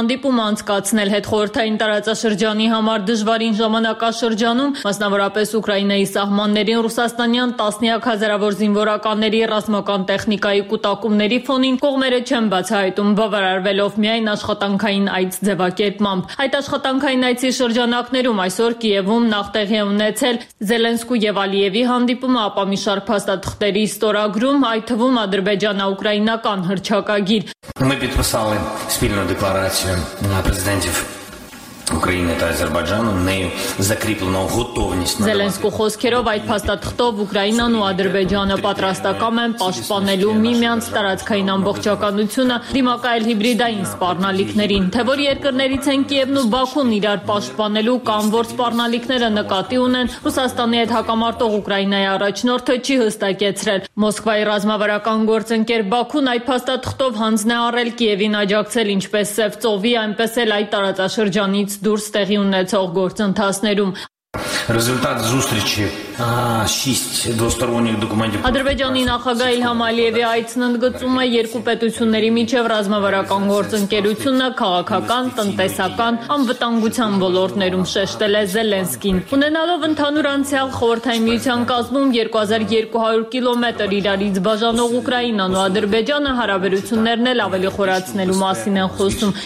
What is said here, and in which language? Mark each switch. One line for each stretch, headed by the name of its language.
Armenian: հանդիպում անցկացնել հետխորհրդային տարածաշրջանի համար դժվարին ժամանակաշրջանում, մասնավորապես Ուկրաինայի սահմաններին ռուսաստանյան տասնյակ հազարավոր զինվորականների ռազմական տեխնիկայի կուտակումների ֆոնին կողմերը չեն բացահայտում, բավարարվելով միայն աշխատանքային այց ձևակերպմամբ։ Այդ աշխատանքային այցի շրջանակներում այսօր Կիևում նախտեղի է ունեցել Զելենսկու և Ալիևի հանդիպումը, ապա մի շարք փաստաթղթերի ստորագրում, այդ թվում ադրբեջանա-ուկրաինական հռչակագիր։
Russian: Мы
Ukrainian: подписали спільную декларацію на президентів України та Азербайджану, нею закріплено готовність.
Armenian: Зеленського хоскеров այդ փաստաթղթով Ուկրաինան ու Ադրբեջանը պատրաստակամ են պաշտպանելու միմյանց տարածքային ամբողջականությունը դիմակայել հիբրիդային սպառնալիքներին, թե որ երկրներից են Կիևն ու Բաքուն իրար պաշտպանելու կամ որ սպառնալիքները նկատի ունեն Ռուսաստանի հետ հակամարտող Ուկրաինայի առաջնորդը չի հստակեցրել։ Մոսկվայի ռազմավարական գործընկեր Բաքուն այդ փաստաթղթով հանձն է առել Կիևին աջակցել ինչպես Սև Ծովի, այնպես էլ այդ տարածաշրջանի ից դուրս տեղի ունեցող գործընթացներում։
Ukrainian: Результат зустрічі 6 двосторонніх документів.
Armenian: Ադրբեջանի նախագահ Իլհամ Ալիևի այցն ընդգծում է երկու պետությունների միջև ռազմավարական գործընկերությունը, քաղաքական, տնտեսական, անվտանգության ոլորտներում, շեշտել է Զելենսկին։ Ունենալով ընդհանուր անցյալ խորհրդային միության կազմում 2200 կիլոմետր իրարից բաժանող Ուկրաինան ու Ադրբեջանը հարաբերություններն էլ ավելի խորացնելու մասին են խոսում։